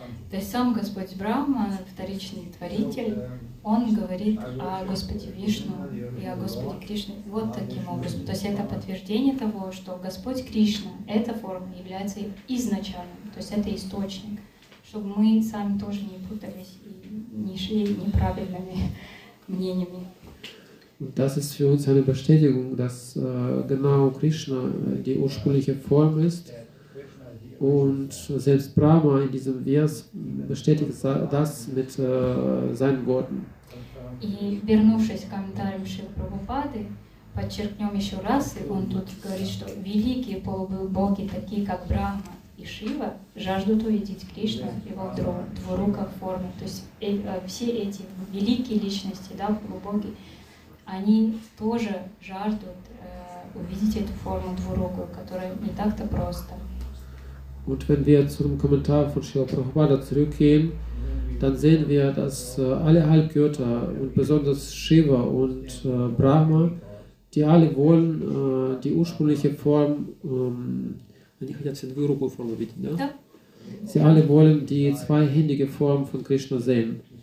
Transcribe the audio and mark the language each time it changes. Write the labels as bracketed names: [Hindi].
[Russian] То есть сам Господь Брахма, вторичный творитель, он говорит о Господе Вишну и о Господе Кришне вот таким образом. То есть это подтверждение того, что Господь Кришна, эта форма, является изначальным, то есть это источник, чтобы мы сами тоже не путались и не шли неправильными мнениями. [German] Das ist für uns eine Bestätigung, dass genau Krishna die ursprüngliche Form ist. Und selbst Brahma in diesem Vers bestätigt das mit seinen Worten. [Russian] И вернувшись к комментариям Шрилы Прабхупады, подчеркнем еще раз, и он тут говорит, что великие полубоги, такие как Брахма и Шива, жаждут увидеть Кришну в его двуруках форме. То есть все эти великие личности, да, полубоги, они тоже жаждут увидеть эту форму двурукую, которая не так-то просто. [German] Und wenn wir zum Kommentar von Srila Prabhupada zurückgehen, dann sehen wir, dass alle Halbgötter und besonders Shiva und Brahma, die alle wollen die ursprüngliche Form, sie alle wollen die zweihändige Form von Krishna sehen.